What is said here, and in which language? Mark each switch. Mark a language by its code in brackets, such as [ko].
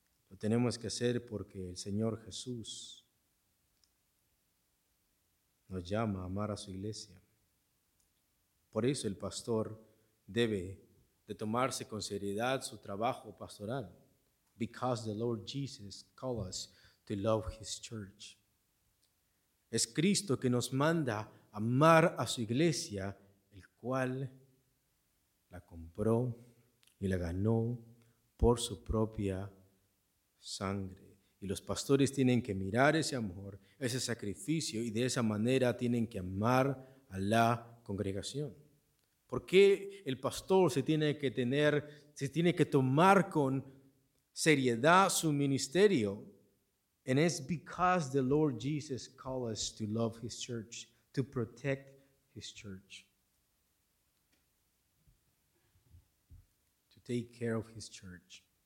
[es] Lo tenemos que hacer porque el Señor Jesús nos llama a amar a su iglesia. Por eso el pastor debe de tomarse con seriedad su trabajo pastoral. [en] Because the Lord Jesus calls us to love his church. [es] Es Cristo que nos manda amar a su iglesia, el cual la compró y la ganó por su propia sangre. Y los pastores tienen que mirar ese amor, ese sacrificio, y de esa manera tienen que amar a la congregación. ¿Por qué el pastor se tiene que tomar con seriedad su ministerio? [en] And it's because the Lord Jesus calls us to love his church, to protect his church, to take care of his church.